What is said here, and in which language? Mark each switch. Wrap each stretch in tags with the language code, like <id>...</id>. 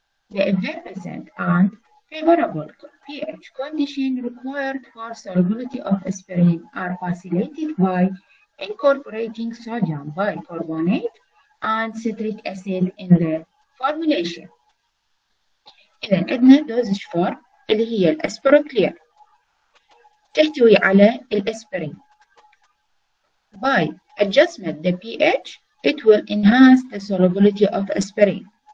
<en>The effervescent and favorable pH condition required for solubility of aspirin are facilitated by incorporating sodium bicarbonate and citric acid in the formulation.</en> <ar>إذا عندنا دوزج فورم اللي هي الأسبروكلير تحتوي على الأسبرين.</ar> <en>By adjustment the pH, it will enhance the solubility of aspirin.</en>